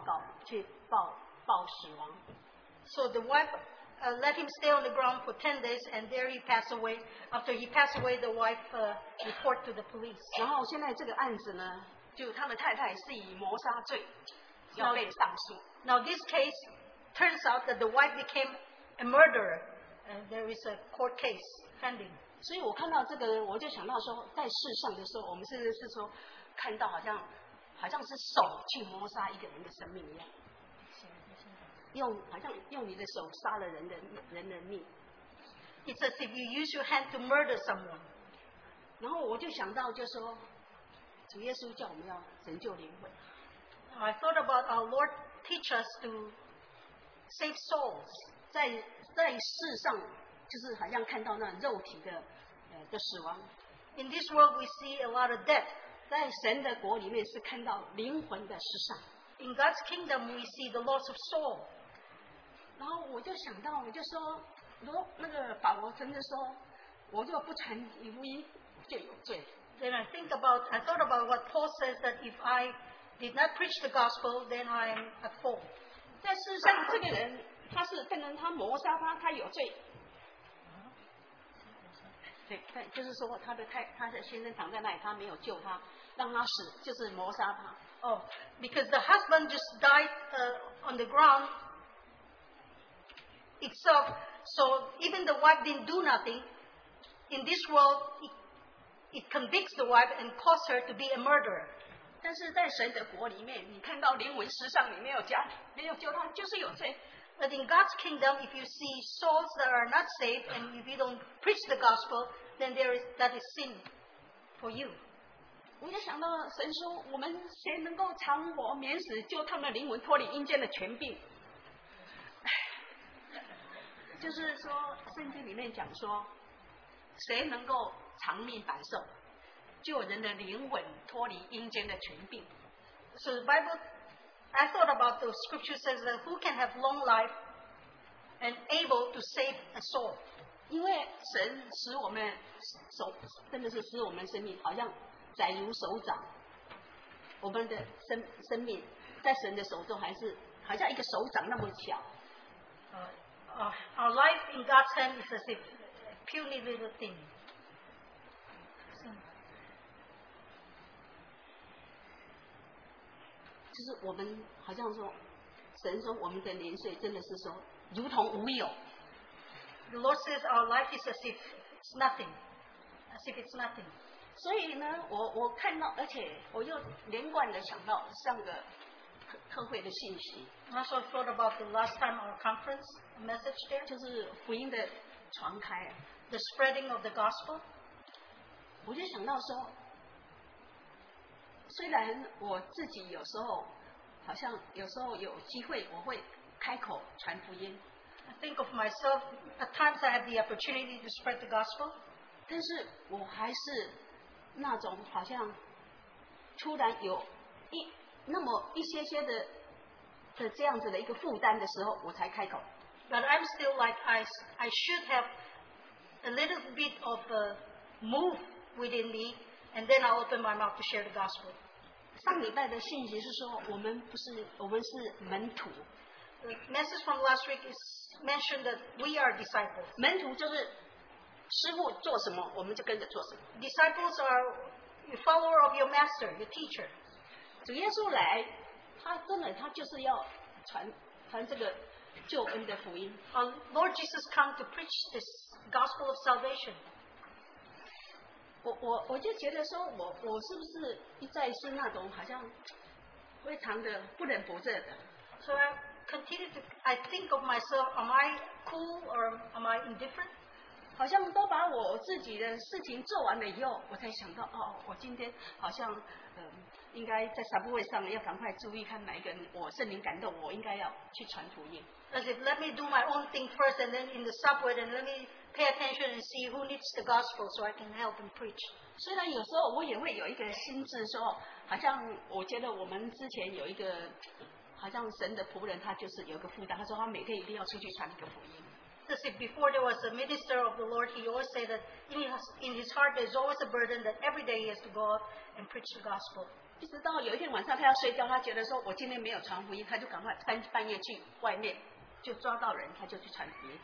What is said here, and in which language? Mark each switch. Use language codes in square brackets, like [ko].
[zh] 然后他太太就任凭他这样躺着，10天以后过世，他就去报告，去报死亡。 [en] So the wife let him stay on the ground for 10 days and there he passed away. After he passed away, the wife report to the police. [zh] 然后现在这个案子呢，就他的太太是以谋杀罪要被上诉。 [en] Now this case turns out that the wife became a murderer. And there is a court case pending. [zh] 所以我看到这个，我就想到说，在世上的时候，我们是说，看到好像是手去谋杀一个人的生命一样，用好像用你的手杀了人的命。 [en] It's as if you use your hand to murder someone. [zh] 然后我就想到，就说，主耶稣叫我们要拯救灵魂。 [en] I thought about our Lord teach us to save souls. [zh] 在世上。 就是好像看到那肉体的死亡。 [en] In this world, we see a lot of death. [zh] 在神的国里面是看到灵魂的失丧。 [en] In God's kingdom, we see the loss of soul. [zh] 然后我就想到，我就说，如那个保罗真的说，我若不传福音，就有罪。 [en] Then I thought about what Paul says that if I did not preach the gospel, then I am at fault. [zh] 在世上，这个人他是被人他谋杀他，他有罪。对，就是说他的先生躺在那里，他没有救他，让他死，就是谋杀他。 [en] Oh, because the husband just died on the ground itself, so even the wife didn't do nothing. In this world, it convicts the wife and causes her to be a murderer. [zh] 但是在神的国里面，你看到灵魂失丧，你没有救他，就是有罪。 [en] But in God's kingdom, if you see souls that are not saved and if you don't preach the gospel, then that is sin for you. [zh] 我就想到神说，我们谁能够长活免死，救他们的灵魂脱离阴间的权柄？就是说，圣经里面讲说，谁能够长命百寿，救人的灵魂脱离阴间的权柄？ [en] So the Bible. I thought about the scripture says that who can have long life and able to save a soul. [zh] 因为神使我们手真的是使我们生命好像载如手掌，我们的 生命在神的手中还是好像一个手掌那么小。 [en] Our life in God's hand is as if a puny little thing. [zh] 就是我们好像说，神说我们的年岁真的是说如同无有。 [en] The Lord says our life is as if it's nothing, as if it's nothing. [zh] 所以呢，我看到，而且我又连贯的想到上个特会的信息。 [en] I also thought about the last time our conference message there. [zh] 就是福音的传开。 [en] The spreading of the gospel. [zh] 我就想到说。虽然我自己有时候好像有时候有机会我会开口传福音 [en] I think of myself at times I have the opportunity to spread the gospel [zh] 但是我还是那种好像突然有那么一些些的这样子的一个负担的时候我才开口 [en] But I'm still like I should have a little bit of a move within meAnd then I'll open my mouth to share the gospel. [zh] 上礼拜的信息是说，我们是门徒。 [en] The message from last week is mentioned that we are disciples. [zh] 门徒就是师父做什么，我们就跟着做什么。 [en] Disciples are the follower of your master, your teacher. [zh] 主耶稣来，他真的他就是要传这个救恩的福音。 [en] Our Lord Jesus come to preach this gospel of salvation. [zh] 我就觉得说我是不是一再是那种好像非常的不冷不热的 [en] So I continue to I think of myself am I cool or am I indifferent [zh] 好像都把我自己的事情做完了以后我才想到哦，我今天好像应该在撒布会上要赶快注意看哪一个我圣灵感动我应该要去传福音 [en] As if let me do my own thing first and then in the subway and let mePay attention and see who needs the gospel so I can help and preach. [zh] 虽然有时候我也会有一个心智说，好像我觉得我们之前有一个，好像神的仆人他就是有一个负担，他说他每天一定要出去传一个福音。 [en] Just if before there was a minister of the Lord, he always said that in his heart there's always a burden that every day he has to go out and preach the gospel. [zh] 一直到有一天晚上他要睡觉，他觉得说我今天没有传福音，他就赶快半夜去外面。就抓到人，他就去传福音。